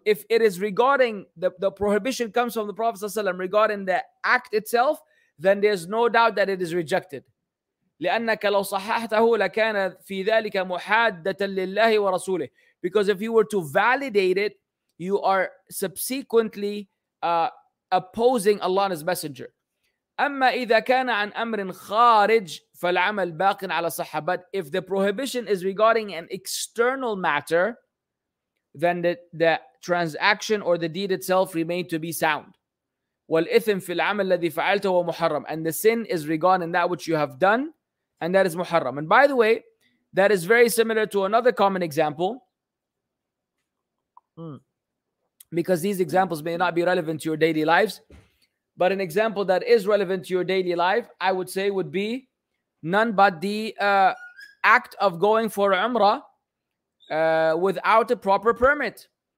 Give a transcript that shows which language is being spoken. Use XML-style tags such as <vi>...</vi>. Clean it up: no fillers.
<en>If it is regarding, the prohibition comes from the Prophet ﷺ regarding the act itself, then there's no doubt that it is rejected.</en> <ar>لِأَنَّكَ لَوْ صَحَّحْتَهُ لَكَانَ فِي ذَلِكَ مُحَادَّةً لِلَّهِ وَرَسُولِهِ.</ar> <en>Because if you were to validate it, you are subsequently opposing Allah and His Messenger.</en> <ar>أما إذا كان عن أمر خارج فالعمل باق على صحة.</ar> <en>But if the prohibition is regarding an external matter, then the transaction or the deed itself remained to be sound.</en> <ar>والإثم في العمل الذي فعلته ومحرم.</ar> <en>And the sin is regarding that which you have done, and that is محرم. And by the way, that is very similar to another common example. Because these examples may not be relevant to your daily lives. But an example that is relevant to your daily life, I would say, would be none but the act of going for Umrah without a proper permit.</en>